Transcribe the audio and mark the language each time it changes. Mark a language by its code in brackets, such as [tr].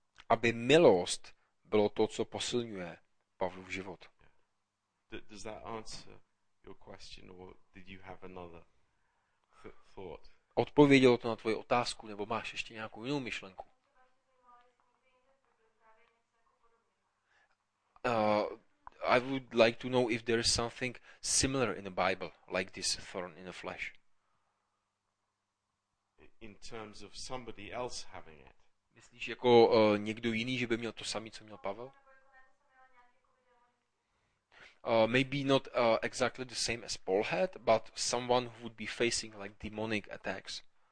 [cs] Aby milost bylo to, co posilňuje Pavlův život. [en] Does that answer your question, or did you have another thought? [cs] Odpovědělo to na tvoji otázku, nebo máš ještě nějakou jinou myšlenku? [en] I would like to know if there is something similar in the Bible, like this thorn in the flesh. In terms of somebody else having it. [cs] Myslíš jako někdo jiný, že by měl to samé, co měl Pavel? [en] Maybe not exactly the same as Paul had, but someone who would be facing like demonic attacks.